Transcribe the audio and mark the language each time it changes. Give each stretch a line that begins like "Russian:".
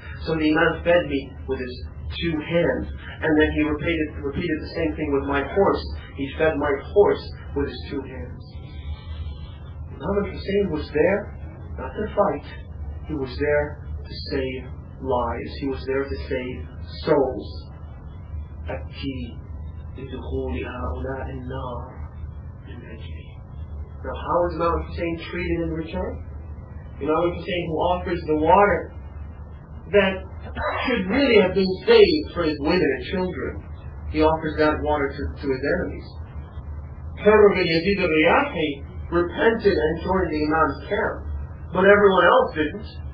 English: So the Imam fed me with his two hands, and then he repeated the same thing with my horse. He fed my horse with his two hands. Imam Hussein was there, not to fight. He was there to save lives. He was there to save souls. A key
Arabic: لدخول هؤلاء النار من أجلي.
English: Now how is Imam Hussein treated in return? Imam Hussein, who offers the water that should really have been saved for his women and children, he offers that water to his enemies. Kamar bin Yazid al-Riyahi repented and joined the Imam's camp, but everyone else didn't.